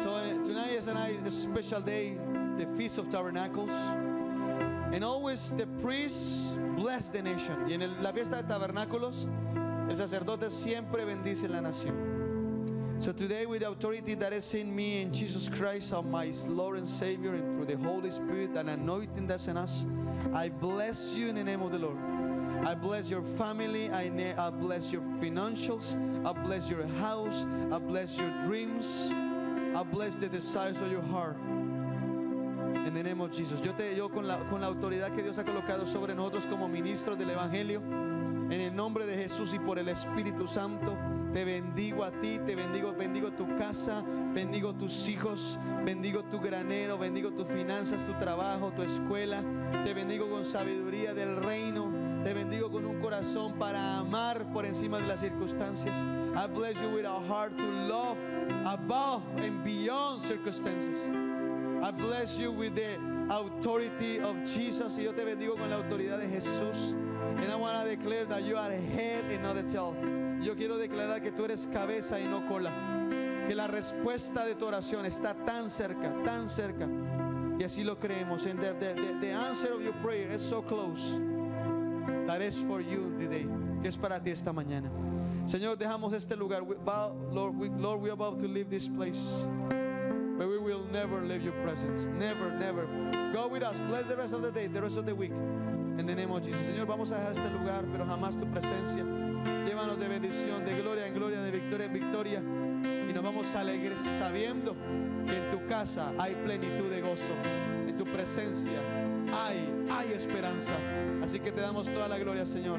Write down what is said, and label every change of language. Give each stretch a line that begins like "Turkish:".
English: So tonight is a special day, the Feast of Tabernacles. And always the priests bless the nation.
Spanish: Y en la fiesta de tabernáculos, el sacerdote siempre bendice la nación.
English: So today, with the authority that is in me, in Jesus Christ, of my Lord and Savior, and through the Holy Spirit, and anointing that's in us, I bless you in the name of the Lord. I bless your family. I bless your financials. I bless your house. I bless your dreams. I bless the desires of your heart.
Spanish: En el nombre de Jesús, yo con la autoridad que Dios ha colocado sobre nosotros como ministros del Evangelio, en el nombre de Jesús y por el Espíritu Santo, te bendigo a ti, te bendigo, bendigo tu casa, bendigo tus hijos, bendigo tu granero, bendigo tus finanzas, tu trabajo, tu escuela, te bendigo con sabiduría del reino, te bendigo con un corazón para amar por encima de las circunstancias.
English: I bless you with a heart to love above and beyond circumstances. I bless you with the authority of Jesus.
Spanish: Y yo te bendigo con la autoridad de Jesús.
English: And I want to declare that you are head and not a tail.
Spanish: Yo quiero declarar que tú eres cabeza y no cola. Que la respuesta de tu oración está tan cerca, tan cerca. Y así lo creemos.
English: And the answer of your prayer is so close. That is for you today.
Spanish: Que es para ti esta mañana. Señor, dejamos este lugar.
English: Lord, we are about to leave this place. But we will never leave your presence. Never, never. Go with us. Bless the rest of the day, the rest of the week. In the name of Jesus.
Spanish: Señor, vamos a dejar este lugar, pero jamás tu presencia. Llévanos de bendición, de gloria en gloria, de victoria en victoria. Y nos vamos alegres sabiendo que en tu casa hay plenitud de gozo. En tu presencia hay esperanza. Así que te damos toda la gloria, Señor.